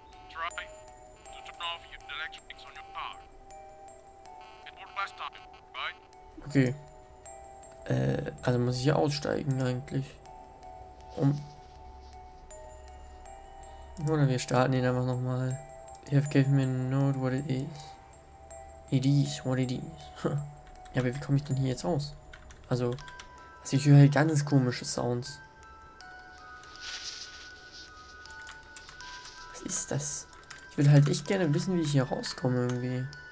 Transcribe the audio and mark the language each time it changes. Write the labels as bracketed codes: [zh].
[en] Try to turn off the electronics on your car. It worked last time, right? Okay. [de] Also muss ich hier aussteigen eigentlich? Oder wir starten ihn einfach nochmal. [en] You have given me a note what it is. It is what it is. [de] Ja, aber wie komme ich denn hier jetzt raus? Also ich höre halt ganz komische Sounds. Was ist das? Ich würde halt echt gerne wissen, wie ich hier rauskomme irgendwie.